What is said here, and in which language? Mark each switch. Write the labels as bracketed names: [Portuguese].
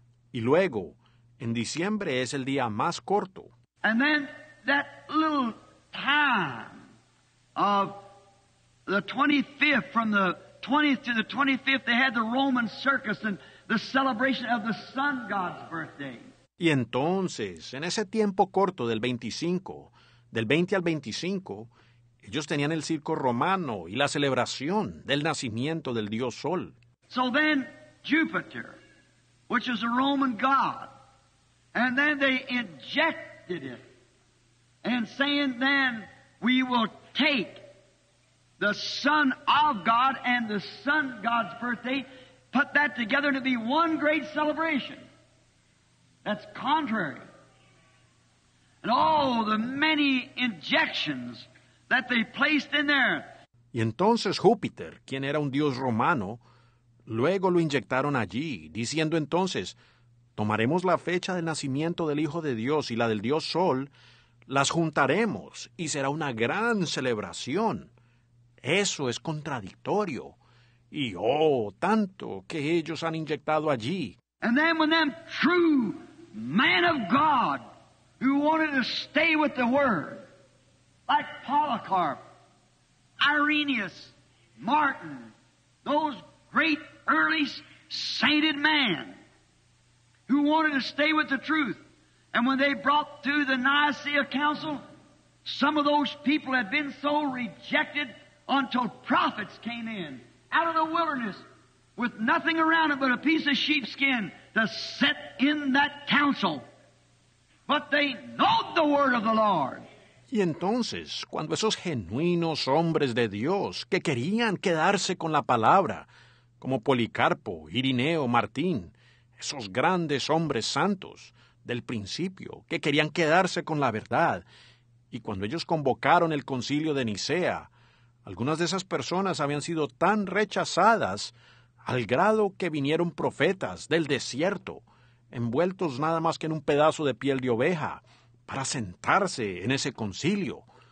[Spanish] Y luego, en diciembre, es el día más corto. [English] And then that little time of the 25th, from the 20th to the 25th, they had the Roman circus and the celebration of the sun god's birthday. [Spanish] Y entonces, en ese tiempo corto del 25, del 20 al 25, ellos tenían el circo romano y la celebración del nacimiento del dios Sol. [English] So then Jupiter, which is a Roman god, and then they injected it, and saying then, we will take the son of God and the sun god's birthday, put that together to be one great celebration. That's contrary. And all the many injections that they placed in there. [Spanish] Y entonces Júpiter, quien era un dios romano, luego lo inyectaron allí, diciendo entonces, tomaremos la fecha del nacimiento del Hijo de Dios y la del dios Sol, las juntaremos y será una gran celebración. Eso es contradictorio. Y oh, tanto que ellos han inyectado allí. [English] And then when them true men of God who wanted to stay with the Word, like Polycarp, Irenaeus, Martin, those great early sainted men who wanted to stay with the truth. And when they brought through the Nicaea Council, some of those people had been so rejected until prophets came in out of the wilderness with nothing around them but a piece of sheepskin to set in that council. But they know the word of the Lord. [Spanish] Y entonces, cuando esos genuinos hombres de Dios que querían quedarse con la palabra, como Policarpo, Irineo, Martín, esos grandes hombres santos del principio que querían quedarse con la verdad, y cuando ellos convocaron el concilio de Nicea, algunas de esas personas habían sido tan rechazadas al grado que vinieron profetas del desierto, envueltos nada más que en un pedazo de piel de oveja, para sentarse en ese concilio.